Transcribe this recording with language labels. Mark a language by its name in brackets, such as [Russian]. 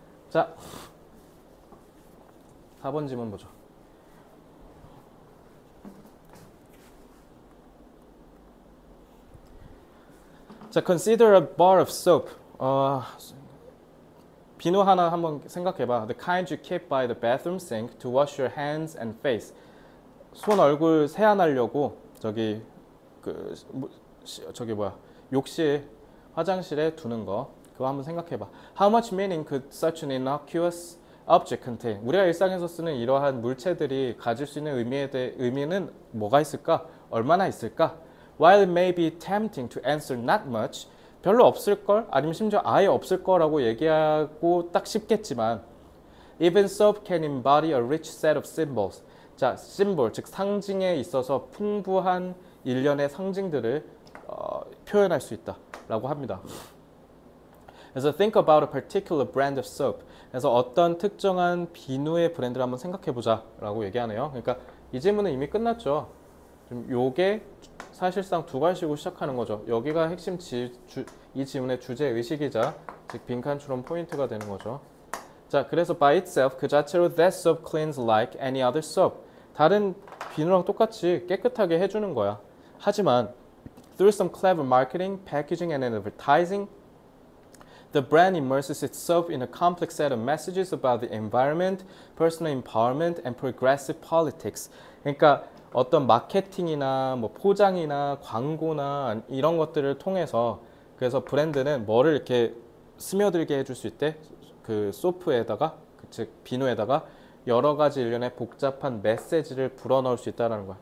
[Korean] 자, 4번 질문 보죠. 자, [English] consider a bar of soap. [Korean] 비누 하나 한번 생각해 봐. [English] The kind you keep by the bathroom sink to wash your hands and face. [Korean] 손 얼굴 세안하려고 저기 그 저기 뭐야? 욕실 화장실에 두는 거. 그거 한번 생각해 봐. [English] How much meaning could such an innocuous object contain? [Korean] 우리가 일상에서 쓰는 이러한 물체들이 가질 수 있는 의미는 뭐가 있을까? 얼마나 있을까? [English] While it may be tempting to answer not much, [Korean] 별로 없을 걸? 아니면 심지어 아예 없을 거라고 얘기하고 딱 쉽겠지만, [English] even soap can embody a rich set of symbols. [Korean] 자, symbol 즉 상징에 있어서 풍부한 일련의 상징들을 표현할 수 있다라고 합니다. 그래서 [English] think about a particular brand of soap. [Korean] 그래서 어떤 특정한 비누의 브랜드를 한번 생각해 보자라고 얘기하네요. 그러니까 이 질문은 이미 끝났죠. 좀 요게 사실상 두 가지로 시작하는 거죠. 여기가 핵심 이 질문의 주제 의식이자 즉 빈칸처럼 포인트가 되는 거죠. 자, 그래서 [English] by itself [Korean] 그 자체로 [English] that soap cleans like any other soap. [Korean] 다른 비누랑 똑같이 깨끗하게 해주는 거야. 하지만 [English] through some clever marketing, packaging, and advertising, the brand immerses itself in a complex set of messages about the environment, personal empowerment, and progressive politics. [Korean] 그러니까 어떤 마케팅이나 뭐 포장이나 광고나 이런 것들을 통해서, 그래서 브랜드는 뭐를 이렇게 스며들게 해줄 수 있대? 그 소프에다가, 즉 비누에다가 여러 가지 일련의 복잡한 메시지를 불어넣을 수 있다는 거야.